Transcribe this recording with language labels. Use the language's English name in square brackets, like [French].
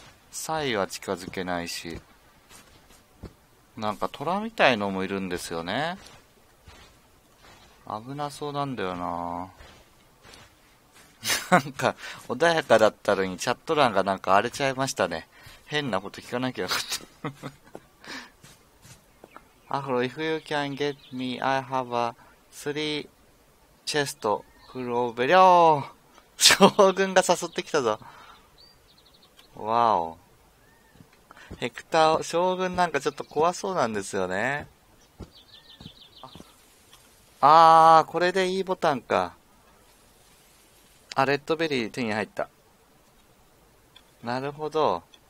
[Japanese] サイは近づけないし。なんか虎みたいのもいるんですよね。危なそうなんだよな。なんか穏やかだったのにチャット欄がなんか荒れちゃいましたね。変なこと聞かなきゃよかった。 [English] アフロ、 if you can get me, I have a three chest full of bellio。 [Japanese] 将軍が誘ってきたぞ。わお、ヘクター、将軍なんかちょっと怖そうなんですよね。あー、これでEボタンか。あ、レッドベリー手に入った。なるほど。